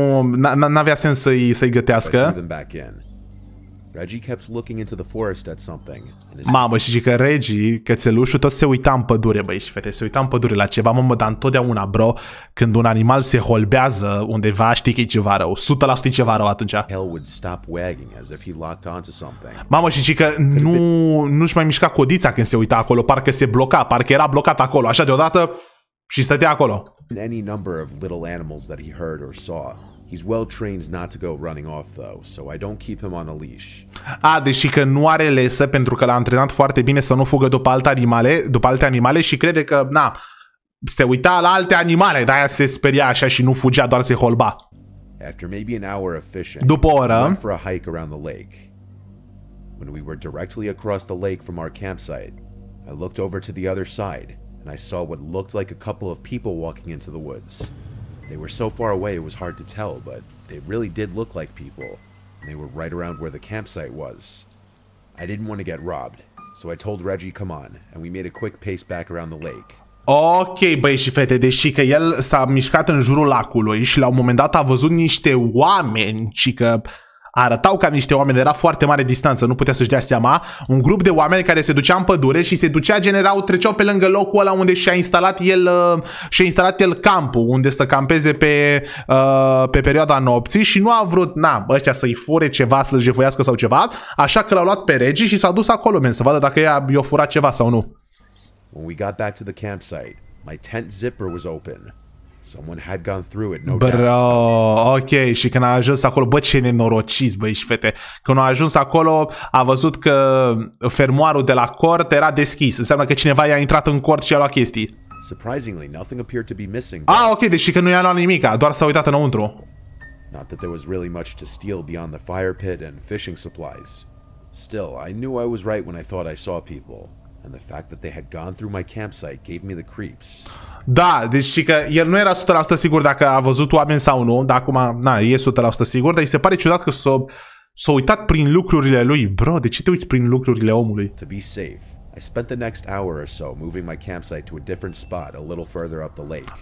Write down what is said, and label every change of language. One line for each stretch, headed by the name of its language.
Romanian: N-avea sens să-i gătească.
English: Reggie kept looking into the forest at something.
Romanian: Mamă, și zice că Reggie, cățelușul, tot se uita în pădure, băi și fete, se uita în pădure la ceva, mamă, dar întotdeauna, bro, când un animal se holbează undeva, știi că e ceva rău, 100% ceva rău atunci.
English: Hell would stop wagging as if he locked onto something.
Romanian: Mamă, și zice că nu-și mai mișca codița când se uita acolo, parcă se bloca, parcă era blocat acolo, așa deodată, și stătea acolo.
English: Any number of little animals that he heard or saw. He's well trained not to go running off though, so I don't keep him on a leash.
Romanian: Ah, deși că nu are lesă pentru că l-a antrenat foarte bine să nu fugă după alte animale și crede că na, se uita la alte animale, de-aia se speria așa și nu fugea, doar se holba.
English: After maybe an hour of fishing.
Romanian: După o oră,
English: went for a hike around the lake. When we were directly across the lake from our campsite, I looked over to the other side and I saw what looked like a couple of people walking into the woods. They were so far away it was hard to tell, but they really did look like people. And they were right around where the campsite was. I didn't want to get robbed, so I told Reggie, come on, and we made a quick pace back around the lake.
Romanian: Ok, băi și fete, deși că el s-a mișcat în jurul lacului și la un moment dat a văzut niște oameni, și că arătau ca niște oameni, era foarte mare distanță, nu putea să-și dea seama, un grup de oameni care se ducea în pădure și se ducea, generau, treceau pe lângă locul ăla unde și-a instalat el campul, unde să campeze pe perioada nopții și nu a vrut, ăștia să-i fure ceva, să-l jefuiască sau ceva, așa că l-au luat pe Reggie și s-a dus acolo, men, să vadă dacă i-a furat ceva sau nu.
English: When we got back to the campsite, my tent zipper was open. Someone had gone through it, no bro, doubt.
Romanian: Ok, și când a ajuns acolo, bă, ce nenorociți, băi și fete. Când a ajuns acolo, a văzut că fermoarul de la cort era deschis. Înseamnă că cineva i-a intrat în cort și i-a luat chestii.
English: Surprisingly, nothing appeared to be missing.
Romanian: Ah, ok, deși că nu i-a luat nimica, doar s-a uitat înăuntru.
English: Not that there was really much to steal beyond the fire pit and fishing supplies. Still, I knew I was right when I thought I saw people. And the fact that they had gone through my campsite gave me the creeps.
Romanian: Da, deci și că el nu era 100% sigur dacă a văzut oameni sau nu, dar acum, e 100% sigur, dar îi se pare ciudat că s-a uitat prin lucrurile lui. Bro, de ce te uiți prin lucrurile omului?
English: To be safe, I spent the next hour or so moving my campsite to a different spot a little further up the lake.